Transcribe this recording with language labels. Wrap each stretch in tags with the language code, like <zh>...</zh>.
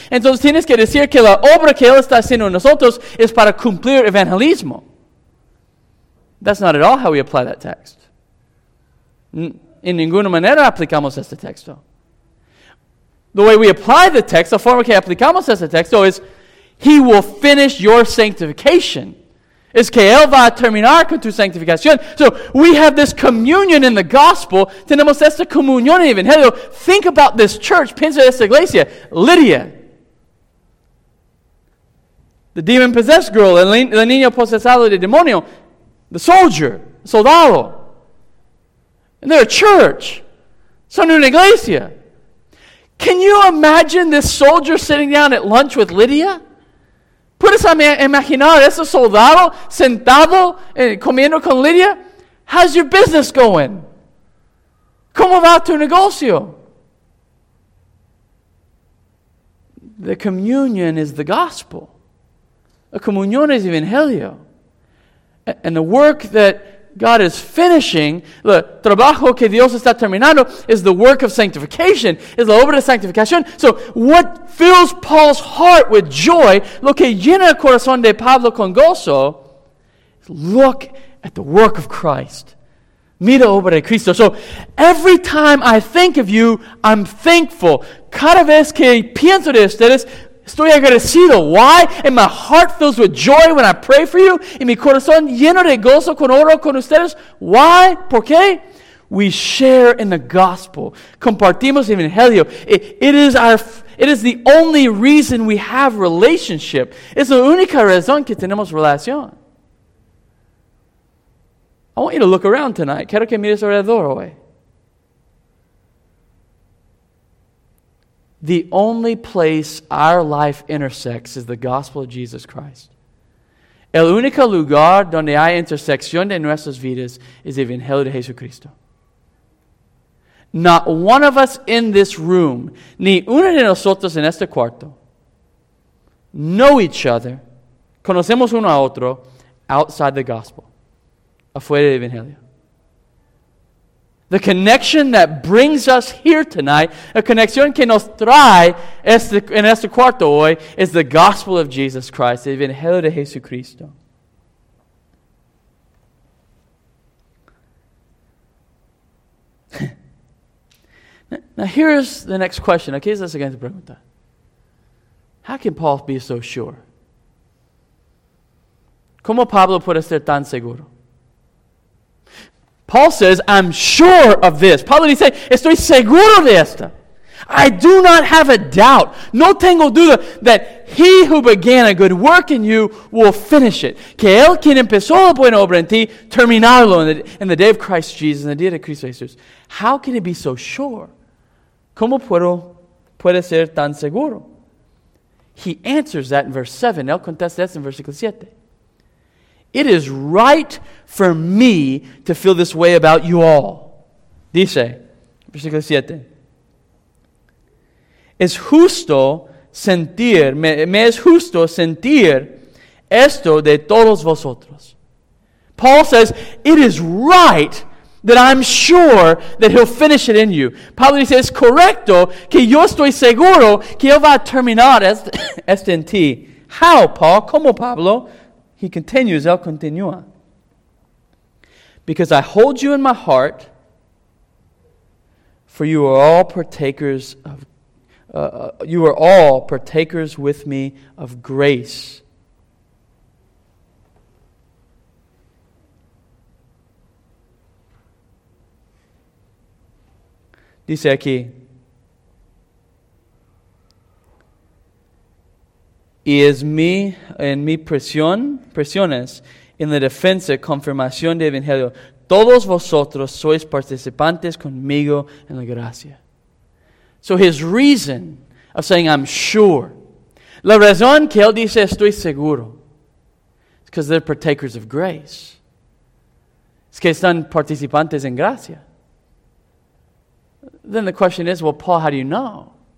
<es>Entonces tienes que decir que la obra que él está haciendo en nosotros es para cumplir evangelismo.</es> <en>That's not at all how we apply that text.</en> <es>En ninguna manera aplicamos este texto.</es> <en>The way we apply the text, the</en> <es>forma que aplicamos este texto</es> <en>is, he will finish your sanctification.</en> <es>Es que él va a terminar con tu sanctificación.</es> <en>So we have this communion in the gospel.</en> <es>Tenemos esta comunión en el Evangelio.</es> <en>Think about this church.</en> <es>Piensa en esta iglesia.</es> <en>Lydia. The demon-possessed girl.</en> <es>El niño posesado de demonio.</es> <en>The soldier, soldado. And they're a church.</en> <es>Son una iglesia.</es> <en>Can you imagine this soldier sitting down at lunch with Lydia?</en> <es>Puedes imaginar ese soldado sentado comiendo con Lydia?</es> <en>How's your business going?</en> <es>¿Cómo va tu negocio?</es> <en>The communion is the gospel.</en> <es>La comunión es evangelio.</es> <en>And the work that God is finishing, the</en> <es>trabajo que Dios está terminando,</es> <en>is the work of sanctification, is</en> <es>la obra de sanctificación.</es> <en>So what fills Paul's heart with joy,</en> <es>lo que llena el corazón de Pablo con gozo,</es> <en>look at the work of Christ.</en> <es>Mira obra de Cristo.</es> <en>So every time I think of you, I'm thankful.</en> <es>Cada vez que pienso de ustedes, Estoy agradecido.</es> <en>Why? And my heart fills with joy when I pray for you.</en> <es>Y mi corazón lleno de gozo cuando oro con ustedes.</es> <en>Why?</en> <es>¿Por qué?</es> <en>We share in the gospel.</en> <es>Compartimos el evangelio.</es> <en>It is the only reason we have relationship.</en> <es>Es la única razón que tenemos relación.</es> <en>I want you to look around tonight.</en> <es>Quiero que mires alrededor hoy.</es> <en>The only place our life intersects is the gospel of Jesus Christ.</en> <es>El único lugar donde hay intersección de nuestras vidas es el evangelio de Jesucristo.</es> <en>Not one of us in this room,</en> <es>ni uno de nosotros en este cuarto,</es> <en>know each other,</en> <es>conocemos uno a otro,</es> <en>outside the gospel,</en> <es>afuera del evangelio.</es> <en>The connection that brings us here tonight,</en> <es>la conexión que nos trae en este cuarto hoy,</es> <en>is the gospel of Jesus Christ,</en> <es>el evangelio de Jesucristo.</es> <en>Now here's the next question. Okay,</en> <es>es la siguiente pregunta.</es> <en>How can Paul be so sure?</en> <es>¿Cómo Pablo puede ser tan seguro?</es> <en>Paul says, I'm sure of this.</en> <es>Pablo dice, estoy seguro de esto.</es> <en>I do not have a doubt.</en> <es>No tengo duda</es> <en>that he who began a good work in you will finish it.</en> <es>Que él quien empezó la buena obra en ti, terminarlo en</es> <en>the day of Christ Jesus,</en> <es>en el día de Cristo Jesús.</es> <en>How can he be so sure?</en> <es>¿Cómo puede ser tan seguro?</es> <en>He answers that in verse 7.</en> <es>Él contesta eso en versículo 7.</es> <en>It is right for me to feel this way about you all.</en> <es>Dice, versículo 7. Es justo sentir, me es justo sentir esto de todos vosotros.</es> <en>Paul says, it is right that I'm sure that he'll finish it in you.</en> <es>Pablo dice, es correcto que yo estoy seguro que él va a terminar este en ti.</es> <en>How, Paul?</en> <es>¿Cómo, Pablo?</es> <en>He continues,</en> <es>él continúa.</es> <en>Because I hold you in my heart, for you are all partakers of, you are all partakers with me of grace.</en> <es>Dice aquí, y es mi, en mi presión, presiones, en la defensa, confirmación del evangelio, todos vosotros sois participantes conmigo en la gracia.</es> <en>So his reason of saying I'm sure,</en> <es>la razón que él dice estoy seguro,</es> <en>is because they're partakers of grace.</en> <es>Es que están participantes en gracia.</es> <en>Then the question is, well, Paul, how do you know?</en>